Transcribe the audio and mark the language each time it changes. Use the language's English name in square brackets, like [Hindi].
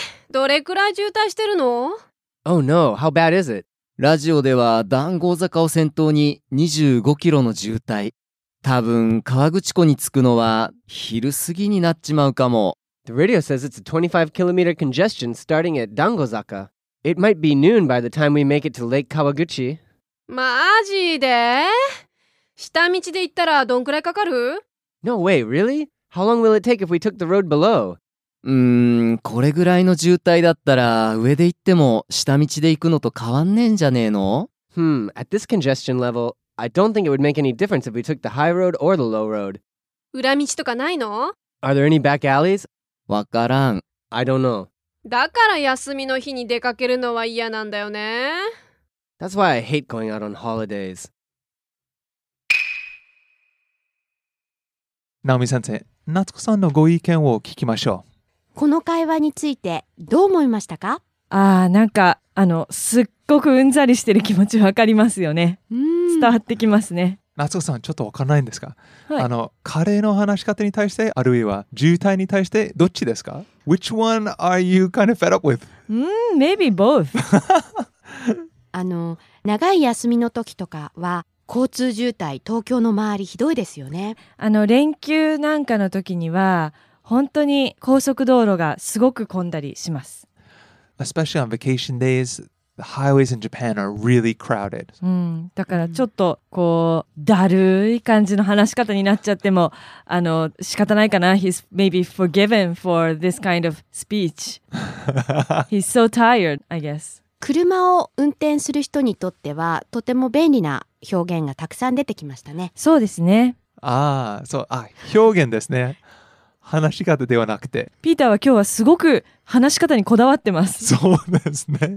[Japanese] どれくらい渋滞してるの？ [English] Oh no, how bad is it? [Japanese] ラジオでは談合坂を先頭に25キロの渋滞。多分河口湖に着くのは昼過ぎになっちまうかも。 [English] The radio says it's a 25km congestion starting at Dangozaka. It might be noon by the time we make it to Lake Kawaguchi. [Japanese] マジで？下道で行ったらどんくらいかかる？ [English] No way, really? How long will it take if we took the road below? [Japanese] これぐらいの渋滞だったら上で行っても下道で行くのと変わんねえんじゃねえの？ [English] At this congestion level,I don't think it would make any difference if we took the high road or the low road. [Japanese] 裏道とかないの？ [English] Are there any back alleys? [Japanese] わからん。 [English] I don't know. [Japanese] だから休みの日に出かけるのは嫌なんだよね。 [English] That's why I hate going out on holidays. [Japanese] Naomi 先生、夏子さんのご意見を聞きましょう。この会話についてどう思いましたか？なんかすっごくうんざりしてる気持ちわかりますよね。伝わってきますね。夏子さん、ちょっとわからないんですか、はい、彼の話し方に対して、あるいは渋滞に対して、どっちですか？ [English] Which one are you kind of fed up with? Maybe both. [Japanese] 長い休みの時とかは交通渋滞、東京の周りひどいですよね。連休なんかの時には本当に高速道路がすごく混んだりします。 [English] Especially on vacation days, the highways in Japan are really crowded. [Japanese] だからちょっとこうだるい感じの話し方になっちゃっても仕方ないかな。 [English] He's maybe forgiven for this kind of speech. He's so tired, I guess. [Japanese] 車を運転する人にとってはとても便利な表現がたくさん出てきましたね。そうですね。表現ですね。話し方ではなくて、ピーターは今日はすごく話し方にこだわってます。そうですね。